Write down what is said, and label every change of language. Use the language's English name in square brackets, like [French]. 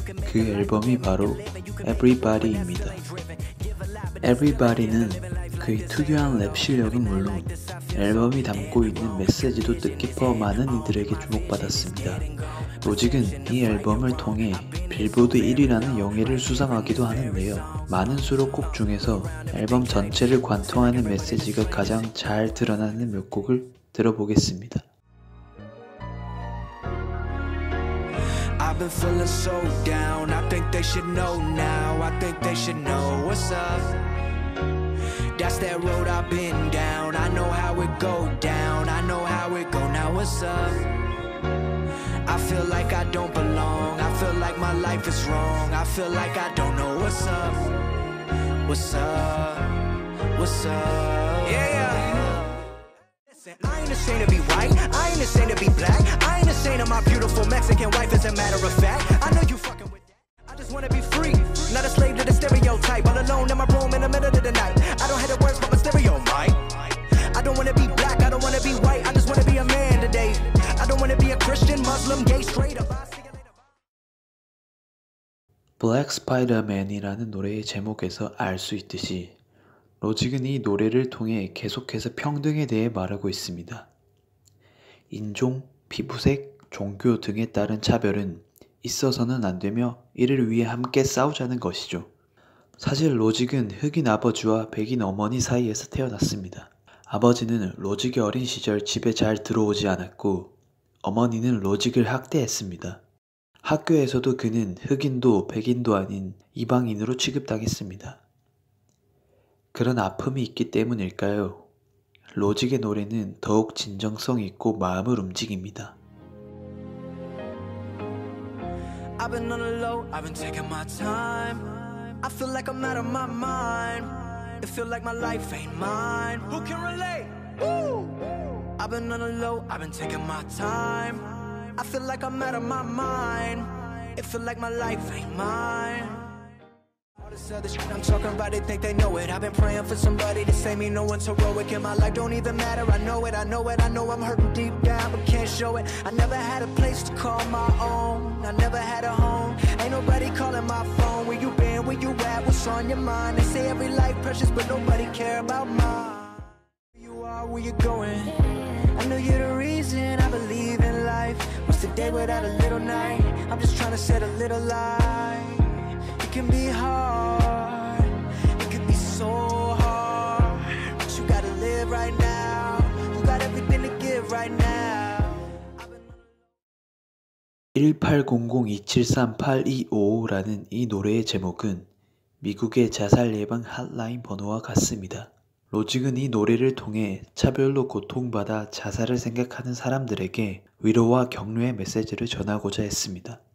[Korean] 그 앨범이 바로 Everybody입니다. Everybody는 그의 특유한 랩 실력은 물론 앨범이 담고 있는 메시지도 뜻깊어 많은 이들에게 주목받았습니다. 로직은 이 앨범을 통해 빌보드 1위라는 영예를 수상하기도 하는데요. 많은 수록곡 중에서 앨범 전체를 관통하는 메시지가 가장 잘 드러나는 몇 곡을 들어보겠습니다. [English] I've been feeling so down. I think they should know now. I think they should know what's up. That's that road I've been down. I know how it go down. I know how it go now. What's up? I feel like I don't belong. I feel like my life is wrong. I feel like I don't know what's up. What's up? What's up? Yeah, yeah. I ain't ashamed to be white, I ain't ashamed to be black, I ain't ashamed of my beautiful Mexican wife. As a matter of fact, I know you fucking with that. I just wanna be free, not a slave to the stereotype. All alone in my room in the middle of the night, I don't have the words but my stereo mic. I don't wanna be black, I don't wanna be white, I just wanna be a man today. I don't wanna be a Christian, Muslim, gay, straight up. [Korean] Black Spider-Man이라는 노래의 제목에서 알 수 있듯이 로직은 이 노래를 통해 계속해서 평등에 대해 말하고 있습니다. 인종, 피부색, 종교 등에 따른 차별은 있어서는 안 되며 이를 위해 함께 싸우자는 것이죠. 사실 로직은 흑인 아버지와 백인 어머니 사이에서 태어났습니다. 아버지는 로직이 어린 시절 집에 잘 들어오지 않았고 어머니는 로직을 학대했습니다. 학교에서도 그는 흑인도 백인도 아닌 이방인으로 취급당했습니다. 그런 아픔이 있기 때문일까요? 로직의 노래는 더욱 진정성 있고 마음을 움직입니다. [English] I've been on a low, I've been taking my time. I feel like I'm out of my mind. It feel like my life ain't mine. Who can relate? Woo! I've been on a low, I've been taking my time. I feel like I'm out of my mind. It feel like my life ain't mine. Other shit I'm talking about, they think they know it. I've been praying for somebody to save me. No one's heroic in my life, don't even matter. I know it, I know it, I know I'm hurting deep down, but can't show it. I never had a place to call my own. I never had a home. Ain't nobody calling my phone. Where you been, where you at, what's on your mind? They say every life precious, but nobody care about mine. Where you are, where you going? I know you're the reason I believe in life. What's the day without a little night? I'm just trying to set a little light. It can be hard, it can be so hard, but you gotta live right now, you got everything to give right now. [Korean] 18002738255라는 이 노래의 제목은 미국의 자살 예방 핫라인 번호와 같습니다. 로직은 이 노래를 통해 차별로 고통받아 자살을 생각하는 사람들에게 위로와 격려의 메시지를 전하고자 했습니다.